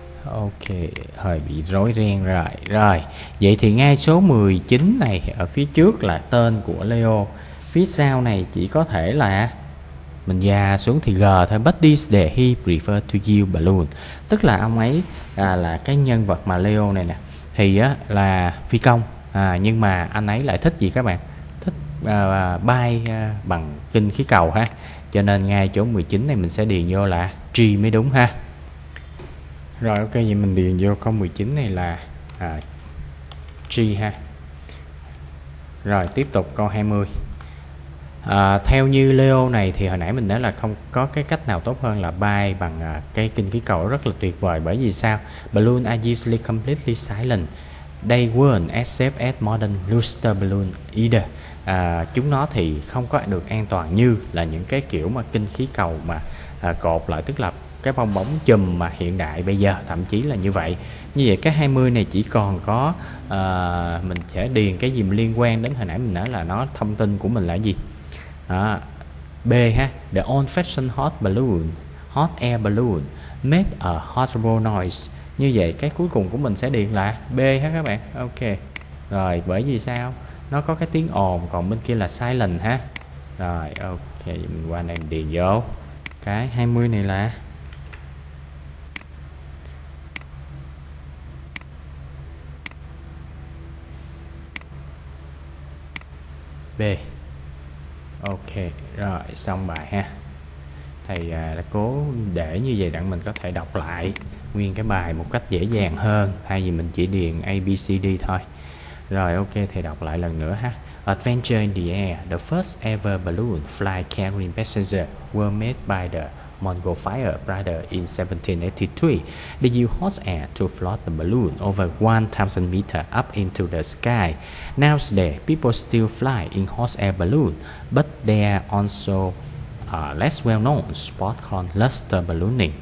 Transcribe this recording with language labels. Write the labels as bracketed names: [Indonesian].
[Vietnamese] Ok, hơi bị rối ren rồi. Rồi vậy thì ngay số 19 này ở phía trước là tên của Leo, phía sau này chỉ có thể là mình già xuống thì G thôi. [English] But this day he preferred to use balloon. [Vietnamese] Tức là ông ấy là cái nhân vật mà Leo này nè, thì là phi công, nhưng mà anh ấy lại thích gì các bạn? Thích bay bằng kinh khí cầu ha. Cho nên ngay chỗ 19 này mình sẽ điền vô là G mới đúng ha. Rồi ok, vậy mình điền vô câu 19 này là G ha. Rồi tiếp tục câu 20. Theo như Leo này thì hồi nãy mình nói là không có cái cách nào tốt hơn là bay bằng cái kinh khí cầu rất là tuyệt vời. Bởi vì sao? [English] Balloon are usually completely silent. They weren't as safe as modern booster balloon either. [Vietnamese] Chúng nó thì không có được an toàn như là những cái kiểu mà kinh khí cầu mà cột lại, tức là cái bong bóng chùm mà hiện đại bây giờ, thậm chí là như vậy. Như vậy cái 20 này chỉ còn có mình sẽ điền cái gì liên quan đến hồi nãy mình nói là nó thông tin của mình là gì. [English] B ha, the old-fashioned hot balloon, hot air balloon, made a horrible noise. [Vietnamese] Như vậy cái cuối cùng của mình sẽ điền là B ha các bạn. Ok. Rồi bởi vì sao? Nó có cái tiếng ồn, còn bên kia là silent ha. Rồi ok, mình qua đây mình điền vô. Cái 20 này là B. Ok, rồi xong bài ha. Thầy đã cố để như vậy đặng mình có thể đọc lại nguyên cái bài một cách dễ dàng hơn, thay vì mình chỉ điền A, B, C, D thôi. Rồi ok, thầy đọc lại lần nữa ha. [English] Adventure in the air, the first ever balloon fly carrying passengers were made by the Mongol Fire Brother in 1783. They used hot air to float the balloon over 1,000 meters up into the sky. Nowadays, people still fly in hot air balloon, but they are also less well-known sport called luster ballooning.